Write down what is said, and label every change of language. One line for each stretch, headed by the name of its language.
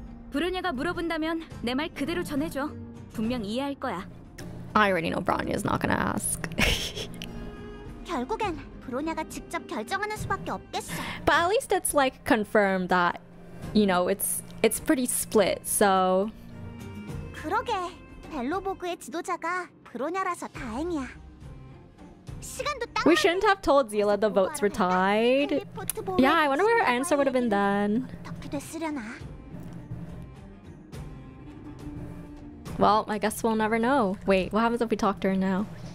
Korean: 브로냐가 물어본다면 내 말 그대로 전해줘. 분명 이해할 거야.
English: I already know Bronya is not gonna ask.
Korean: 결국엔 브로냐가 직접 결정하는 수밖에 없겠어.
English: But at least it's like confirmed that, you know, it's pretty split. So.
Korean: 그러게 벨로보그의 지도자가 브로냐라서 다행이야.
English: We shouldn't have told Zila the votes were tied. Yeah, I wonder what her answer would have been then.
Korean: 어떻게 됐으려나?
English: Well, I guess we'll never know. Wait, what happens if we talk to her now?